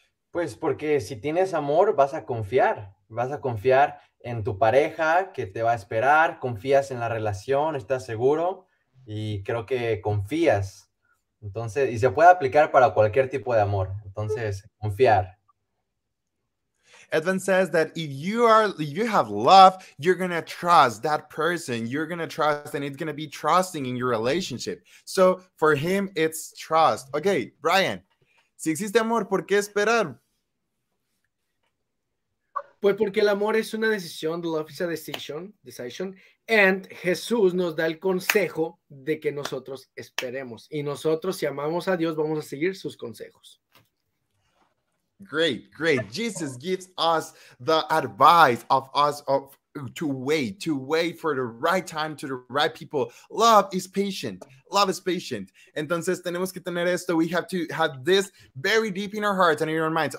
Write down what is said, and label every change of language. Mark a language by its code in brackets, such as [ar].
[es] Pues porque si tienes amor, vas a confiar. Vas a confiar en tu pareja que te va a esperar. Confías en la relación, estás seguro. Y creo que confías. Entonces, y se puede aplicar para cualquier tipo de amor. Entonces, confiar. [en] Edwin says that if you are, if you have love, you're going to trust that person. You're going to trust and it's going to be trusting in your relationship. So for him, it's trust. [es] Okay, Brian, si existe amor, ¿por qué esperar? Pues porque el amor es una decisión, [en] love is a decision, [es] and Jesús nos da el consejo de que nosotros esperemos. Y nosotros, si amamos a Dios, vamos a seguir sus consejos. [en] Great, great. Jesus gives us the advice of us of to wait for the right time to the right people. Love is patient. Love is patient. [es] Entonces, tenemos que tener esto. [en] We have to have this very deep in our hearts and in our minds.